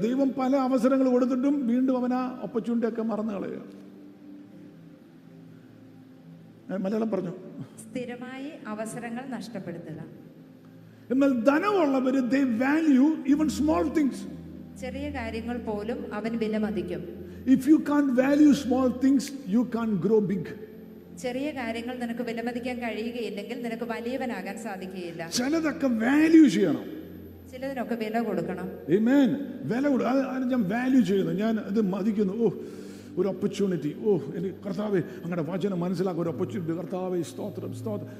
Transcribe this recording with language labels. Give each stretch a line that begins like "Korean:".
Malayalam: ദൈവം പല അവസരങ്ങൾ കൊടുത്തിട്ടും വീണ്ടും അവൻ ആ ഓപ്പർച്യൂണിറ്റി ഒക്കെ മറന്നു കളയുക. മലയാളം പറഞ്ഞു, സ്ഥിരമായി അവസരങ്ങൾ നഷ്ടപ്പെടുത്തുക. എന്നാൽ ധനമുള്ളവര്
English: they value even small things.
Malayalam: ചെറിയ കാര്യങ്ങൾ പോലും അവൻ വിലമതിക്കും.
English: If you can't value small things, you can't grow big.
Malayalam: ചെറിയ കാര്യങ്ങൾ നിനക്ക് വിലമതിക്കാൻ കഴിയുകയില്ലെങ്കിൽ നിനക്ക് വലിയവനാകാൻ സാധിക്കുകയില്ല. ചിലതൊക്കെ വാല്യൂ ചെയ്യണം, ചിലതിനൊക്കെ വില കൊടുക്കണം. ആമേൻ. വില കൊടുക്കണം. ഞാൻ വാല്യൂ ചെയ്യുന്നു, ഞാൻ അത് മതിക്കുന്നു. ഓ, ഒരു ഓപ്പർച്യൂണിറ്റി. ഓ, എനിക്ക് കർത്താവേ അങ്ങനെ വചനം മനസ്സിലാക്കുക, ഒരു ഓപ്പർച്യൂണിറ്റി. കർത്താവേ സ്തോത്രം, സ്തോത്രം.